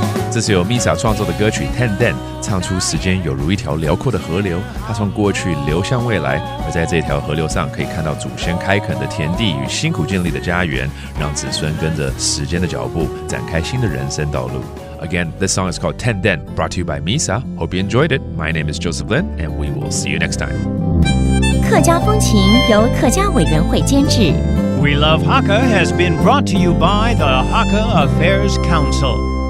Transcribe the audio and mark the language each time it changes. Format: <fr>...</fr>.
<zh>这是由 Misa 创作的歌曲 Ten Den， 唱出时间犹如一条辽阔的河流，它从过去流向未来，而在这条河流上可以看到祖先开垦的田地与辛苦建立的家园，让子孙跟着时间的脚步展开新的人生道路。</zh> <en>Again, this song is called Ten Den, brought to you by Misa. Hope you enjoyed it. My name is Joseph Lin, and we will see you next time.</en> <zh>客家风情由客家委员会监制。</zh> <en>We Love Hakka has been brought to you by the Hakka Affairs Council.</en>